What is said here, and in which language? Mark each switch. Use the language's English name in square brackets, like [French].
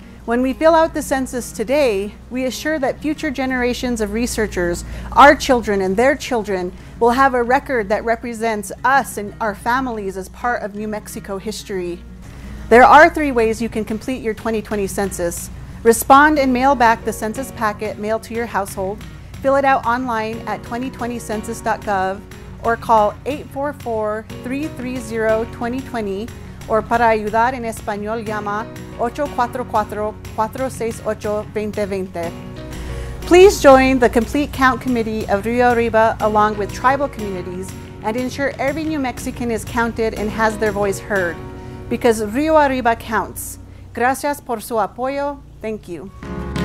[English] When we fill out the census today, we assure that future generations of researchers, our children and their children, will have a record that represents us and our families as part of New Mexico history. There are three ways you can complete your 2020 census. Respond and mail back the census packet mailed to your household. Fill it out online at 2020census.gov. or call 844-330-2020, or [Spanish] para ayudar en español llama 844-468-2020. [English] Please join the Complete Count Committee of Rio Arriba along with tribal communities and ensure every New Mexican is counted and has their voice heard, because Rio Arriba counts. [Spanish] Gracias por su apoyo. [English] Thank you.